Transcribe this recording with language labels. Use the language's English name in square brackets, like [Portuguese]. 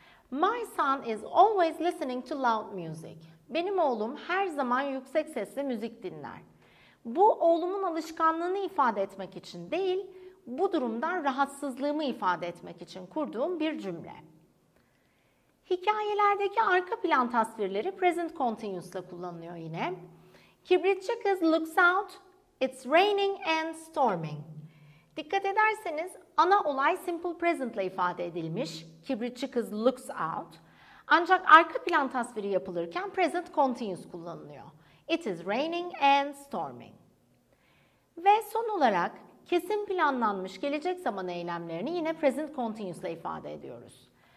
[English] My son is always listening to loud music. [Turkish] Benim oğlum her zaman yüksek sesle müzik dinler. Bu oğlumun alışkanlığını ifade etmek için değil, bu durumdan rahatsızlığımı ifade etmek için kurduğum bir cümle. Hikayelerdeki arka plan tasvirleri present continuous ile kullanılıyor yine. [English] Kibritçi kız looks out, it's raining and storming. [Turkish] Dikkat ederseniz ana olay simple present ile ifade edilmiş. Kibritçi kız [English] looks out. [Turkish] Ancak arka plan tasviri yapılırken present continuous kullanılıyor. [English] It is raining and storming. [Turkish] Ve son olarak kesin planlanmış gelecek zaman eylemlerini yine present continuous ile ifade ediyoruz.